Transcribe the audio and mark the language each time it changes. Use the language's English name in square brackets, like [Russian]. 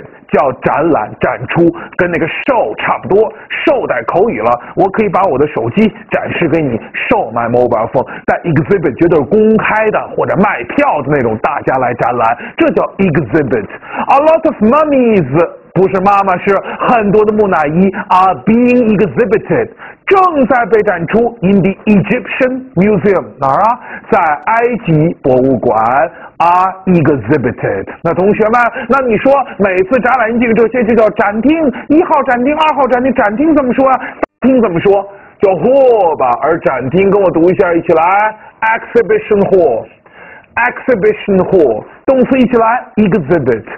[Chinese] 叫展览展出，跟那个 show 差不多， show 带口语了，我可以把我的手机展示给你， [English] show my mobile phone， [Chinese] 但 exhibit 绝对是公开的或者卖票的那种，大家来展览，这叫 exhibit。 [English] A lot of mummies， [Chinese] 不是妈妈，是很多的木乃伊 [English] are being exhibited， [Chinese] 正在被展出 [English] in the Egyptian museum， [Chinese] 哪儿啊，在埃及博物馆 [English] are exhibited。 [Chinese] 那同学们，那你说每次展览进这些就叫展厅，一号展厅、二号展厅，展厅怎么说啊？展厅怎么说？叫 hall 吧。而展厅跟我读一下，一起来 [English] exhibition hall， exhibition hall， [Chinese] 动词一起来 exhibit。